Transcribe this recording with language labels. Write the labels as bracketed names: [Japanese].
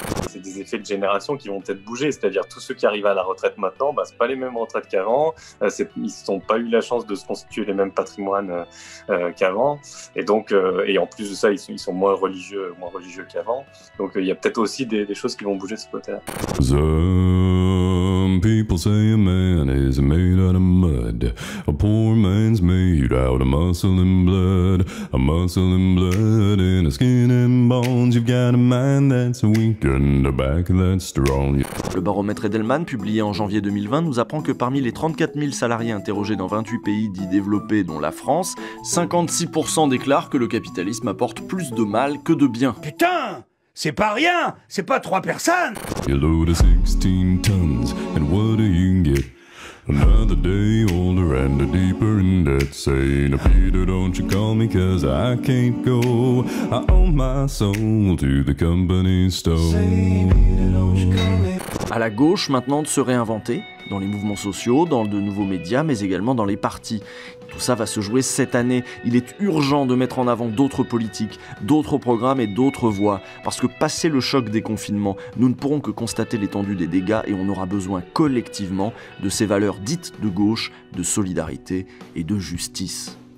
[French] C'est des effets de génération qui vont peut-être bouger, c'est-à-dire tous ceux qui arrivent à la retraite maintenant, bah, c'est pas les mêmes retraites qu'avant, ils n'ont pas eu la chance de se constituer les mêmes patrimoines qu'avant, et donc et en plus de ça, ils sont moins religieux qu'avant, donc il y a peut-être aussi des choses qui vont bouger de ce côté-là. [English] Some people say a man is made out of mud, a poor man's made out of muscle and blood and a skin and bones, you've got a mind that's weak and a back that's strong. [French] Le baromètre Edelman, publié en janvier 2020, nous apprend que parmi les 34 000 salariés interrogés dans 28 pays dits développés, dont la France, 56% déclarent que le capitalisme apporte plus de mal que de bien. Putain! C'est pas rien! C'est pas trois personnes! [English] You load a 16 tons, and what do you get? Another day older and deeper in debt. Say, no, Peter, don't you call me, cause I can't go. I owe my soul to the company store. Say, Peter, don't you call me. [French] à la gauche maintenant de se réinventer, dans les mouvements sociaux, dans de nouveaux médias, mais également dans les partis. Tout ça va se jouer cette année. Il est urgent de mettre en avant d'autres politiques, d'autres programmes et d'autres voies. Parce que passé le choc des confinements, nous ne pourrons que constater l'étendue des dégâts et on aura besoin collectivement de ces valeurs dites de gauche, de solidarité et de justice.